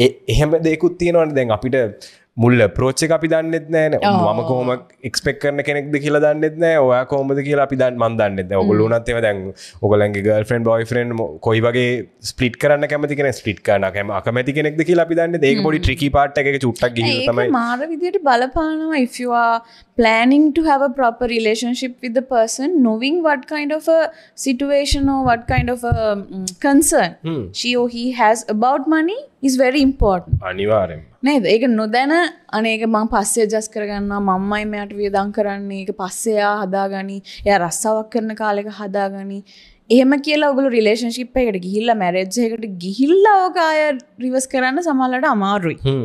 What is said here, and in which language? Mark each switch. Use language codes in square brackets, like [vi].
[si] එහෙම දෙයක්ත් තියෙනවනේ දැන් අපිට මුල් අප්‍රෝච් එක අපි දන්නෙත් නැහැනේ මම කොහොම එක්ස්පෙක්ට් කරන කෙනෙක්ද කියලා දන්නෙත් නැහැ ඔයා කොහොමද කියලා අපි මන් දන්නෙත් නැහැ ඔගොල්ලෝ උනත් එහෙම දැන් ඔගලන්ගේ ගර්ල්ෆ්‍රෙන්ඩ් බොයෆ්‍රෙන්ඩ් කොයි වගේ ස්ප්ලිට් කරන්න කැමති කෙනෙක් ස්ප්ලිට් කරන්න අකමැති කෙනෙක්ද කියලා අපි දන්නෙත් ඒක පොඩි ට්‍රිකි පාර්ට් එකක චුට්ටක් ගිහිල්ලා තමයි ඒක මාර විදියට බලපානවා [en] if you are planning to have a proper relationship with the person knowing what kind of a situation or what kind of a concern she or he has about money is very important [si] අනිවාර්යෙන් නේද ඒක නොදැන අනේක මම පස්සේ adjust කරගන්නවා මම්මයි මෙයාට වියදම් කරන්නේ ඒක පස්සේ ආ හදාගනි එයා රස්සාවක් කරන කාලෙක හදාගනි එහෙම කියලා ඔයගොල්ලෝ රිලේෂන්ෂිප් එකකට ගිහිල්ලා මැරේජ් එකකට ගිහිල්ලා ඔක අය රිවර්ස් කරන්න සමහරවිට අමාරුයි